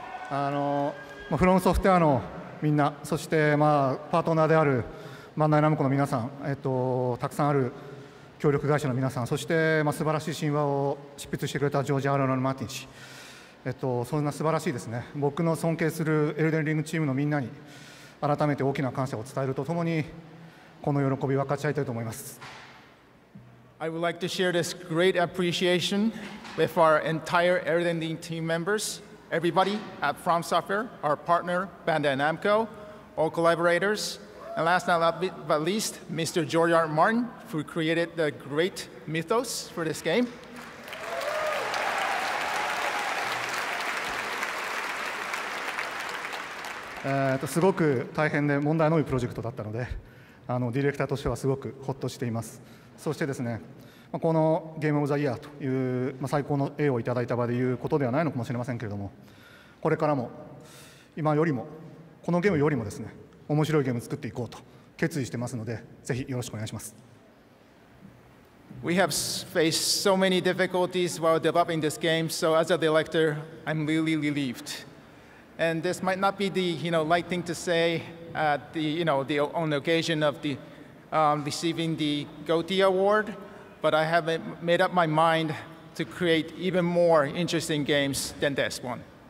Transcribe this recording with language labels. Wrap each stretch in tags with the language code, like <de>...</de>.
<ja>フロムソフトウェアのみんな、そして、まあ、パートナーであるバンダイナムコの皆さん、たくさんある協力会社の皆さん、そして、まあ、素晴らしい神話を執筆してくれたジョージ・アーロン・マーティン氏、そんな素晴らしいですね。僕の尊敬するエルデンリングチームのみんなに改めて大きな感謝を伝えるとともに、この喜び分かち合いたいと思います。</ja> <en>I would like to share this great appreciation with our entire Elden Ring team members, everybody at From Software, our partner Bandai Namco, all collaborators, and last not least, Mr. George R. Martin, who created the great mythos for this game.</en> <ja>すごく大変で問題の多いプロジェクトだったので、ディレクターとしてはすごくホッとしています。そしてですね、このゲームオブザイヤーという最高の栄誉をいただいた場でいうことではないのかもしれませんけれども、これからも今よりもこのゲームよりもですね、面白いゲームを作っていこうと決意してますので、ぜひよろしくお願いします。</ja> <en>We have faced so many difficulties while developing this game, so as a director I'm really relieved, and this might not be the light thing to say at the on the occasion of the receiving the GOTY award, but I have made up my mind to create even more interesting games than this one.</en>